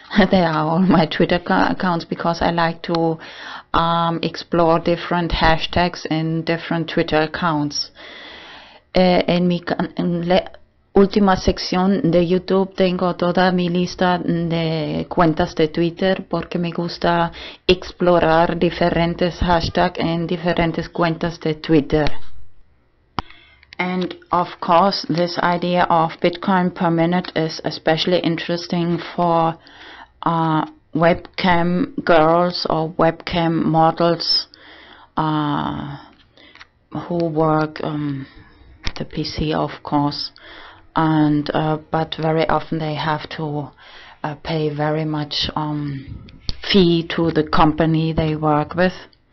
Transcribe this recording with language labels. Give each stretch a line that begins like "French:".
English: They are all my Twitter accounts because I like to explore different hashtags in different Twitter accounts.
Spanish: En mi última sección de YouTube tengo toda mi lista de cuentas de Twitter porque me gusta explorar diferentes hashtags en diferentes cuentas de Twitter.
English: And of course, this idea of Bitcoin per minute is especially interesting for webcam girls or webcam models who work the PC, of course, and but very often they have to pay very much fee to the company they work with.